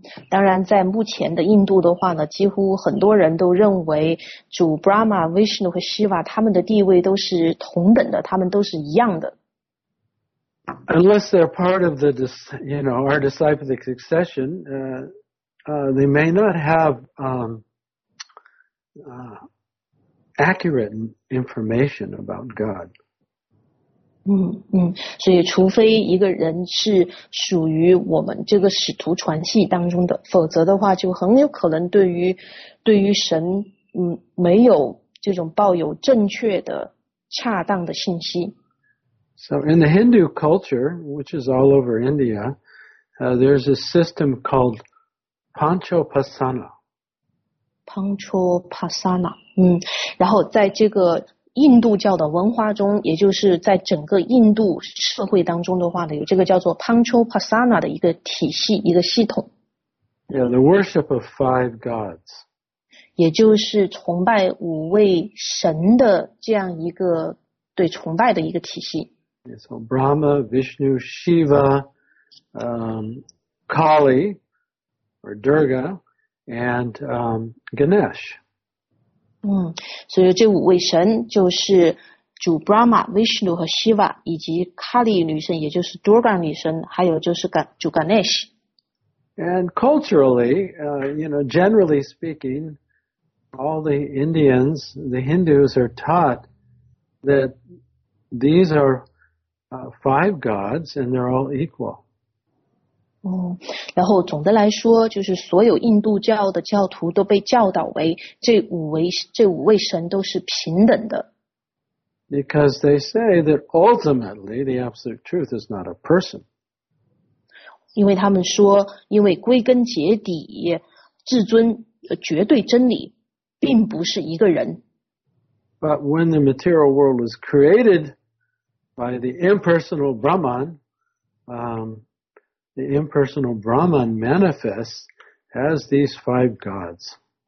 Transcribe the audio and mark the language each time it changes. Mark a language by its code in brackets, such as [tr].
[zh] 当然在目前的印度的话呢，几乎很多人都认为主 Brahma, Vishnu 和 Shiva 他们的地位都是同等的，他们都是一样的。 [en] Unless they're part of the, you know, our disciplic succession, they may not have accurate information about God. [zh] 所以除非一个人是属于我们这个使徒传系当中的，否则的话就很有可能对于神没有这种抱有正确的恰当的信息。 [en] So in the Hindu culture, which is all over India, there's a system called Panchopasana. [zh] Panchopasana, 然后在这个印度教的文化中，也就是在整个印度社会当中的话呢，有这个叫做 Panchopasana 的一个体系，一个系统。 [en] Yeah, the worship of five gods. [zh] 也就是崇拜五位神的这样一个对崇拜的一个体系。 [en] Yeah, so Brahma, Vishnu, Shiva, Kali, or Durga, and Ganesh. [zh] 所以这五位神就是主 Brahma, Vishnu 和 Shiva, 以及 Kali 女神，也就是 Durga 女神，还有就是主 Ganesh。 [en] And culturally, you know, generally speaking, all the Indians, the Hindus are taught that these are five gods and they're all equal. [zh] 然后总的来说，就是所有印度教的教徒都被教导为这五位神都是平等的。 [en] Because they say that ultimately the absolute truth is not a person. [zh] 因为他们说，因为归根结底，至尊绝对真理并不是一个人。 [en] But when the material world was created by the impersonal Brahman, the impersonal Brahman manifests as these five gods.